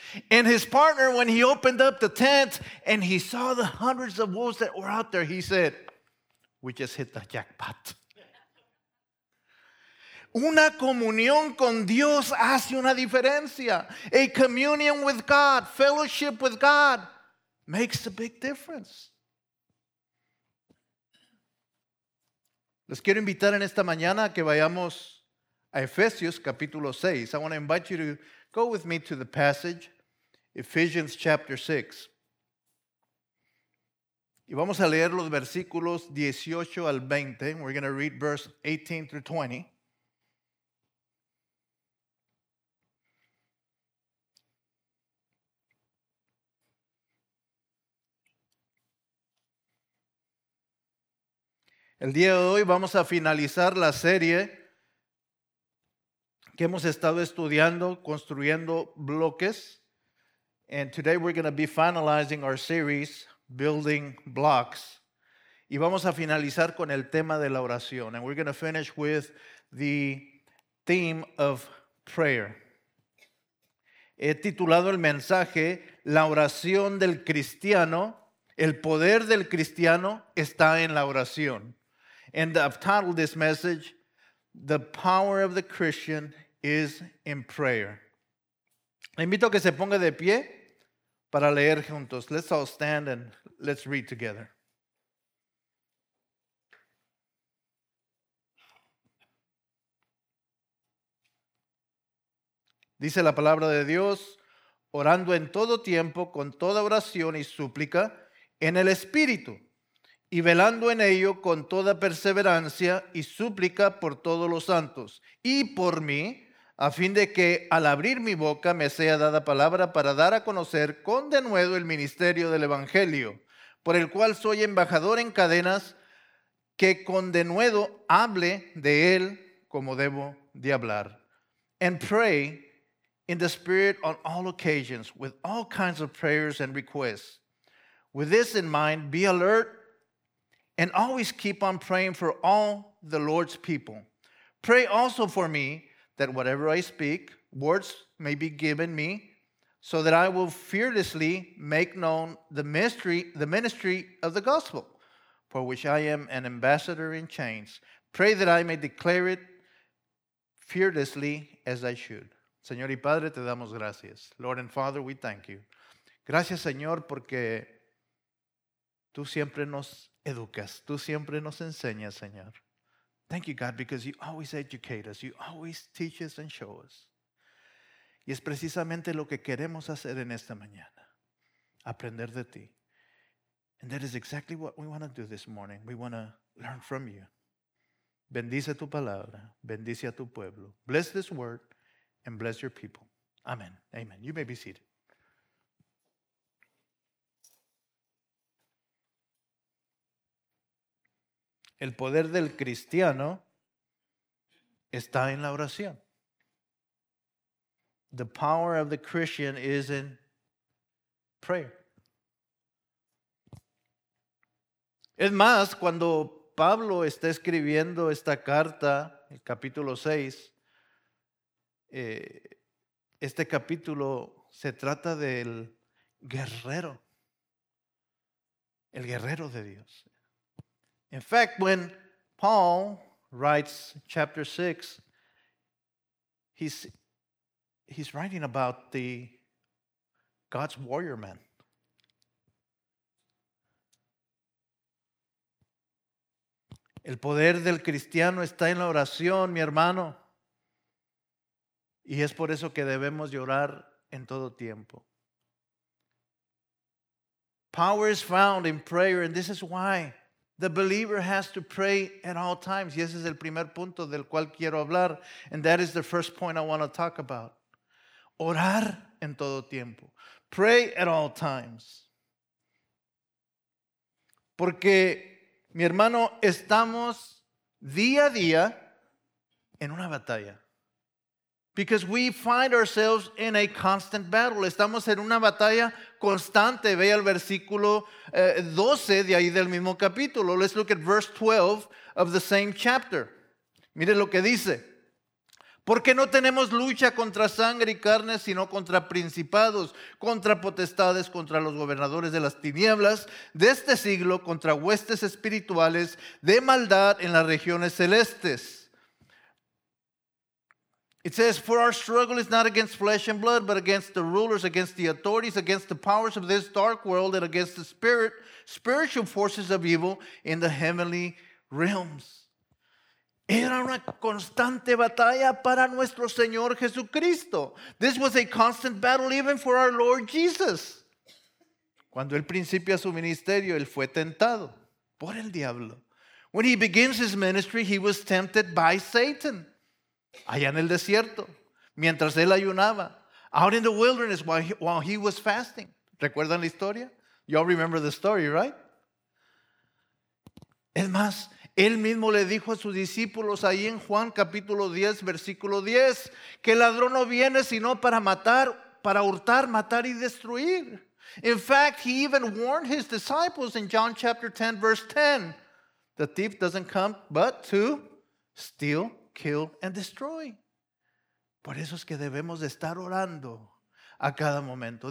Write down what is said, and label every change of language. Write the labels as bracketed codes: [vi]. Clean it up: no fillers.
[en] And his partner, when he opened up the tent and he saw the hundreds of wolves that were out there, he said, we just hit the jackpot. [es] Una comunión con Dios hace una diferencia. [en] A communion with God, fellowship with God, makes a big difference. [es] Los quiero invitar en esta mañana que vayamos a Efesios capítulo 6. [en] I want to invite you to go with me to the passage. Ephesians chapter 6. [es] Y vamos a leer los versículos 18 al 20. [en] We're going to read verse 18 through 20. [es] El día de hoy vamos a finalizar la serie que hemos estado estudiando, construyendo bloques. [en] And today we're going to be finalizing our series, Building Blocks. [es] Y vamos a finalizar con el tema de la oración. [en] And we're going to finish with the theme of prayer. [es] He titulado el mensaje, La oración del cristiano, el poder del cristiano está en la oración. [en] And I've titled this message, The Power of the Christian is in Prayer. [es] Le invito a que se ponga de pie. Para leer juntos. [en] Let's all stand and let's read together. [es] Dice la palabra de Dios, orando en todo tiempo, con toda oración y súplica, en el Espíritu, y velando en ello con toda perseverancia y súplica por todos los santos, y por mí, a fin de que al abrir mi boca me sea dada palabra para dar a conocer con denuedo el ministerio del Evangelio, por el cual soy embajador en cadenas, que con denuedo hable de él como debo de hablar. [en] And pray in the Spirit on all occasions, with all kinds of prayers and requests. With this in mind, be alert and always keep on praying for all the Lord's people. Pray also for me, that whatever I speak, words may be given me, so that I will fearlessly make known the ministry of the gospel, for which I am an ambassador in chains. Pray that I may declare it fearlessly as I should. [es] Señor y Padre, te damos gracias. [en] Lord and Father, we thank you. [es] Gracias, Señor, porque tú siempre nos educas. Tú siempre nos enseñas, Señor. [en] Thank you, God, because you always educate us. You always teach us and show us. [es] Y es precisamente lo que queremos hacer en esta mañana. Aprender de ti. [en] And that is exactly what we want to do this morning. We want to learn from you. [es] Bendice tu palabra. Bendice a tu pueblo. [en] Bless this word and bless your people. Amen. Amen. You may be seated. [es] El poder del cristiano está en la oración. [en] The power of the Christian is in prayer. [es] Es más, cuando Pablo está escribiendo esta carta, el capítulo 6, Este capítulo se trata del guerrero. El guerrero de Dios. [en] In fact, when Paul writes chapter 6, he's writing about the God's warrior man. [es] El poder del cristiano está en la oración, mi hermano. Y es por eso que debemos llorar en todo tiempo. [en] Power is found in prayer, and this is why the believer has to pray at all times. [es] Y ese es el primer punto del cual quiero hablar, [en] and that is the first point I want to talk about. [es] Orar en todo tiempo. [en] Pray at all times. [es] Porque, mi hermano, estamos día a día en una batalla. [en] Because we find ourselves in a constant battle. [es] Estamos en una batalla constante. Ve al versículo 12 de ahí del mismo capítulo. [en] Let's look at verse 12 of the same chapter. [es] Mire lo que dice. Porque no tenemos lucha contra sangre y carne, sino contra principados, contra potestades, contra los gobernadores de las tinieblas de este siglo, contra huestes espirituales de maldad en las regiones celestes. [en] It says, for our struggle is not against flesh and blood, but against the rulers, against the authorities, against the powers of this dark world, and against the spiritual forces of evil in the heavenly realms. [es] Era una constante batalla para nuestro Señor Jesucristo. [en] This was a constant battle even for our Lord Jesus. [es] Cuando él principia su ministerio, él fue tentado por el diablo. [en] When he begins his ministry, he was tempted by Satan. [es] Allá en el desierto, mientras él ayunaba. [en] Out in the wilderness while he was fasting. [es] ¿Recuerdan la historia? [en] Y'all remember the story, right? [es] Es más, él mismo le dijo a sus discípulos ahí en Juan capítulo 10, versículo 10, que el ladrón no viene sino para matar, para hurtar, matar y destruir. [en] In fact, he even warned his disciples in John chapter 10, verse 10. The thief doesn't come but to steal, kill and destroy. [es] Por eso es que debemos de estar orando a cada momento.